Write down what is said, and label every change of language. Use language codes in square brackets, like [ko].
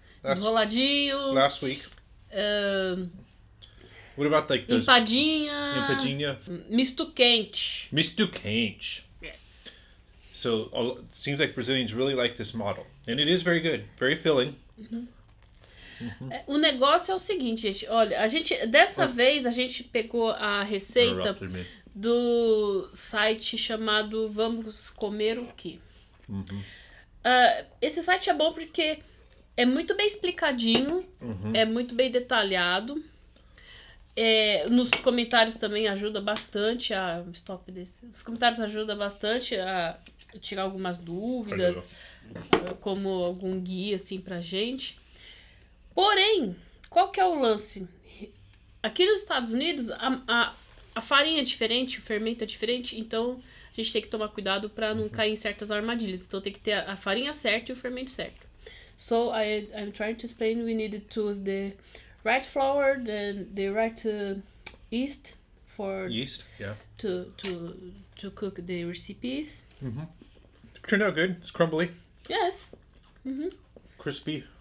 [pt] Enroladinho. [en] last week. What about like those [pt] Empadinha. empadinha? Misto quente. Misto quente. [en] So it seems like Brazilians really like this model. And it is very good, very filling. [pt] O negócio é o seguinte, gente. Olha, a gente dessa vez a gente pegou a receita [en] Interrupted me. [pt] do site chamado Vamos Comer o Quê. Esse site é bom porque é muito bem explicadinho, é muito bem detalhado. Nos comentários também ajuda bastante a stop desse. Os comentários ajuda bastante a tirar algumas dúvidas, como algum guia assim pra gente. Porém, qual que é o lance? Aqui nos Estados Unidos, a farinha é diferente, o fermento é diferente, então a gente tem que tomar cuidado para não cair em certas armadilhas. Então tem que ter a farinha certa e o fermento certo. [en] So I'm trying to explain, we need to use the right flour, then the right yeast for Yeast, yeah. to cook the recipes. Turned out good. It's crumbly. Yes. Crispy